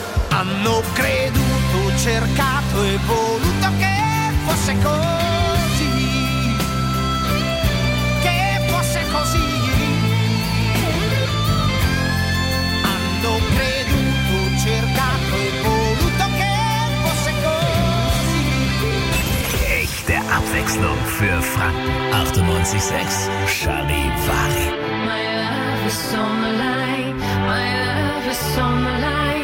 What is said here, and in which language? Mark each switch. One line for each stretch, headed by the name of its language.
Italian: Hanno creduto, cercato e voluto che fosse così, che fosse così. Hanno creduto, cercato e voluto che fosse così.
German: Echte Abwechslung für Franken. 98.6 Charivari.
English: My love is on the line, my love is on the line.